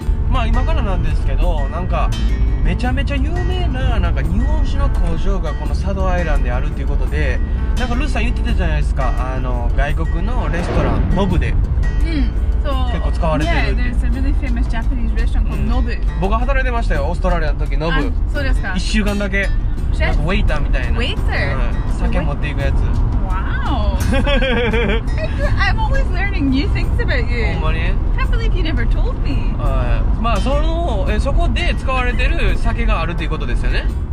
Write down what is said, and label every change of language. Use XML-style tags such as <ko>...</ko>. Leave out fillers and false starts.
<ja>まあ今からなんですけど、なんか。めちゃめちゃ有名 なんか日本酒の工場がこの佐渡アイランドであるっていうことで、なんかルーさん言ってたじゃないですか、あの外国のレストランノブで、うん、そう、結構使われてる。</ja> <en>Yeah, there's a really famous Japanese restaurant called Nobu、うん、</en> <ja>僕は働いてましたよ、オーストラリアの時。ノブ。そうですか。 1週間だけなんかウェイターみたいな。ウェイター、うん、酒持っていくやつ。</ja> <en>Wow! I'm always learning new things about you.</en> <ja>ほんまに?</ja> <en>I can't believe you never told me.</en> <ja>まあ、その、そこで使われてる酒があるということですよね。</ja>